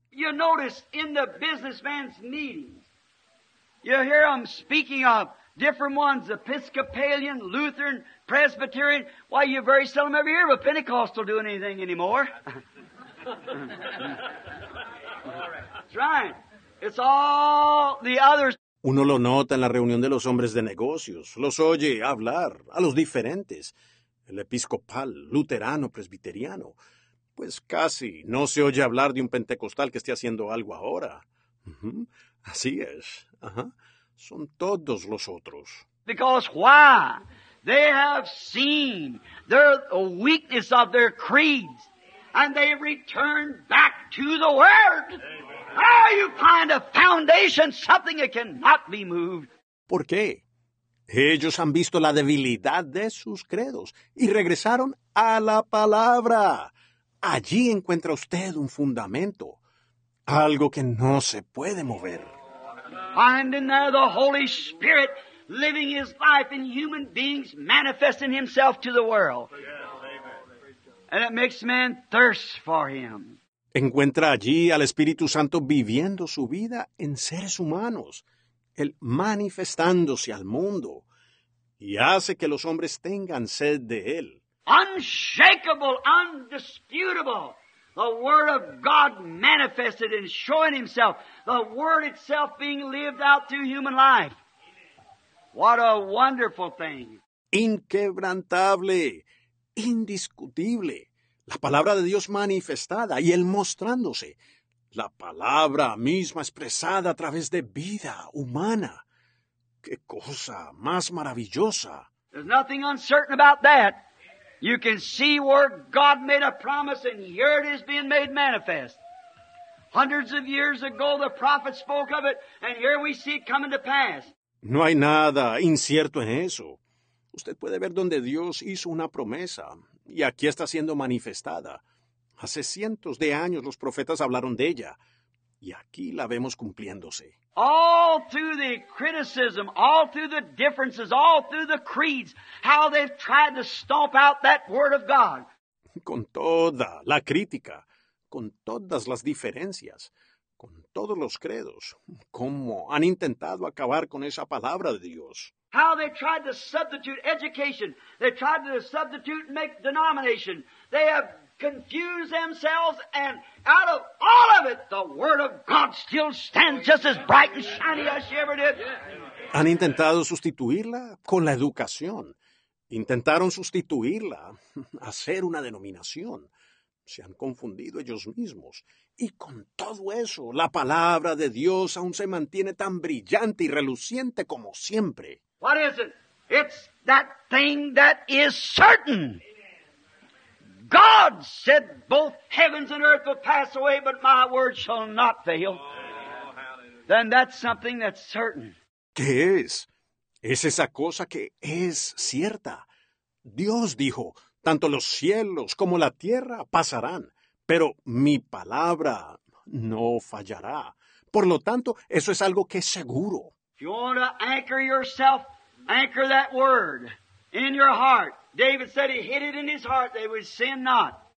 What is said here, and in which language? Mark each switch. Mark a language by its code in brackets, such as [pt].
[en] You notice in the businessman's meetings, you hear them speaking of different ones, Episcopalian, Lutheran, Presbyterian. Why, you very seldom ever hear of a Pentecostal doing anything anymore. That's right. It's all the others. [es] Uno lo nota en la reunión de los hombres de negocios. Los oye hablar a los diferentes. el episcopal, luterano, presbiteriano. Pues casi no se oye hablar de un pentecostal que esté haciendo algo ahora. Uh-huh. Así es. Uh-huh. Son todos los otros. [en] Because why? They have seen their weakness of their creeds, and they return back to the Word. How you find a foundation, something that cannot be moved? [es] ¿Por qué? Ellos han visto la debilidad de sus credos y regresaron a la palabra. Allí encuentra usted un fundamento, algo que no se puede mover. [en] Finding there the Holy Spirit living His life in human beings, manifesting Himself to the world. And it makes man thirst for Him. [es] Encuentra allí al Espíritu Santo viviendo su vida en seres humanos, Él manifestándose al mundo, y hace que los hombres tengan sed de Él. [en] Unshakable, undisputable, the Word of God manifested and showing Himself, the Word itself being lived out through human life. What a wonderful thing. [es] Inquebrantable, indiscutible, la palabra de Dios manifestada y Él mostrándose, la palabra misma expresada a través de vida humana. ¡Qué cosa más maravillosa! [en] There's nothing uncertain about that. You can see where God made a promise and here it is being made manifest. Hundreds of years ago the prophet spoke of it and here we see it coming to pass. [es] No hay nada incierto en eso. Usted puede ver donde Dios hizo una promesa y aquí está siendo manifestada. Hace cientos de años los profetas hablaron de ella y aquí la vemos cumpliéndose. [en] All through the criticism, all through the differences, all through the creeds, how they've tried to stomp out that word of God. [es] Con toda la crítica, con todas las diferencias, con todos los credos, cómo han intentado acabar con esa palabra de Dios. [en] How they tried to substitute education, they tried to substitute and make denomination. They have confused themselves, and out of all of it, the Word of God still stands just as bright and shiny as she ever did. [es] Han intentado sustituirla con la educación. Intentaron sustituirla, hacer una denominación. Se han confundido ellos mismos. Y con todo eso, la palabra de Dios aún se mantiene tan brillante y reluciente como siempre. [en] What is it? It's that thing that is certain. God said both heavens and earth will pass away, but my word shall not fail. Then that's something that's certain. [es] ¿Qué es? Es esa cosa que es cierta. Dios dijo, tanto los cielos como la tierra pasarán, pero mi palabra no fallará. Por lo tanto, eso es algo que es seguro. [en] If you want to anchor yourself, anchor that word in your heart. David said he hid it in his heart, they would sin not.